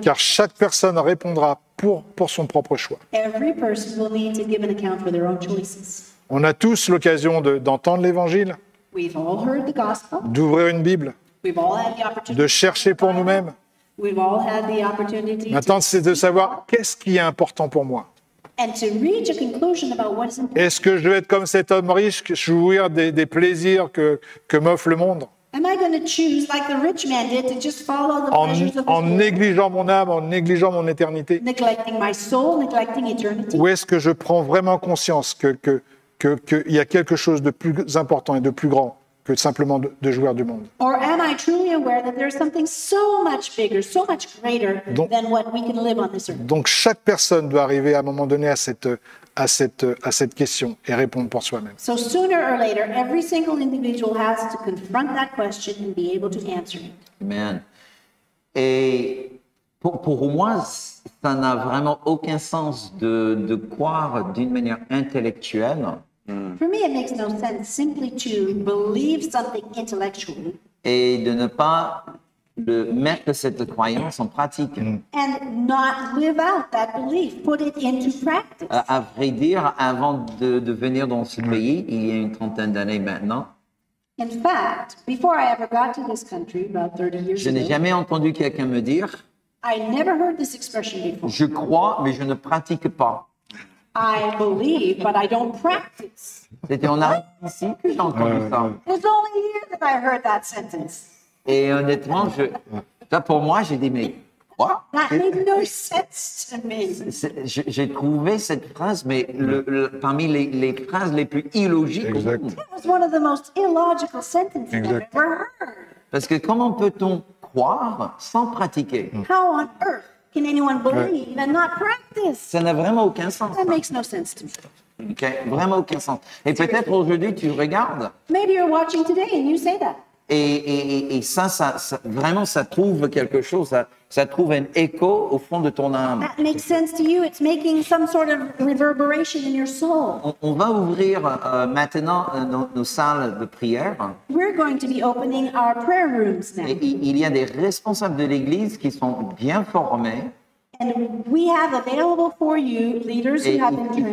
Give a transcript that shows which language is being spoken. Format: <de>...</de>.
<fr>Car chaque personne répondra pour son propre choix.</fr> <en>Every person will need to give an account for their own choices.</en> <fr>On a tous l'occasion d'entendre l'Évangile.</fr> <en>We've all heard the gospel.</en> <fr>D'ouvrir une Bible.</fr> <en>We've all had the opportunity.</en> <fr>De chercher pour nous-mêmes.</fr> <en>We've all had the opportunity.</en> <fr>Maintenant, c'est de savoir qu'est-ce qui est important pour moi.</fr> <en>And to reach a conclusion about what is important.</en> <fr>Est-ce que je vais être comme cet homme riche, jouir des plaisirs que m'offre le monde?</fr> <en>Am I going to choose like the rich man did to just follow the pleasures of this world?</en> <fr>En négligeant mon âme, en négligeant mon éternité.</fr> <en>Neglecting my soul, neglecting eternity.</en> <fr>Ou est-ce que je prends vraiment conscience qu'il y a quelque chose de plus important et de plus grand que simplement de jouir du monde.</fr> <en>Or am I truly aware that there's something so much bigger, so much greater than what we can live on this earth?</en> <fr>Donc chaque personne doit arriver à un moment donné à cette question et répondre pour soi-même.</fr> <en>So sooner or later, every single individual has to confront that question and be able to answer it. Amen.</en> <fr>Et pour moi, ça n'a vraiment aucun sens de croire d'une manière intellectuelle.</fr> <en>For me, it makes no sense simply to believe something intellectually.</en> <fr>Et de ne pas mettre cette croyance en pratique.</fr> <en>And not live out that belief, put it into practice.</en> <fr>À vrai dire, avant de venir dans ce pays, il y a une trentaine d'années maintenant,</fr> <en>in fact, before I ever got to this country, about 30 years ago,</en> <fr>je n'ai jamais entendu quelqu'un me dire:</fr> <en>I never heard this expression before.</en> <fr>Je crois, mais je ne pratique pas.</fr> <en>I believe, but I don't practice.</en> <fr>C'était en Argentine que j'ai entendu ça.</fr> <en>It's only here that I heard that sentence.</en> <fr>Et honnêtement, pour moi, j'ai dit, mais quoi?</fr> <en>That made no sense to me.</en> <fr>J'ai trouvé cette phrase, mais parmi les phrases les plus illogiques. Exact.</fr> <en>That was one of the most illogical sentences I've ever heard.</en> <fr>Parce que comment peut-on croire sans pratiquer?</fr> <en>How on earth can anyone believe and not practice?</en> <fr>Ça n'a vraiment aucun sens.</fr> <en>That makes no sense to me.</en> <fr>Okay, vraiment aucun sens. Et peut-être aujourd'hui tu regardes.</fr> <en>Maybe you're watching today and you say that.</en> <fr>Et ça vraiment ça trouve quelque chose, ça trouve un écho au fond de ton âme.</fr> <en>That makes sense to you. It's making some sort of reverberation in your soul.</en> <fr>On va ouvrir maintenant nos salles de prière.</fr> <en>We're going to be opening our prayer rooms now.</en> <fr>Et il y a des responsables de l'église qui sont bien formés.</fr> <en>And we have available for you leaders who have been trained.</en>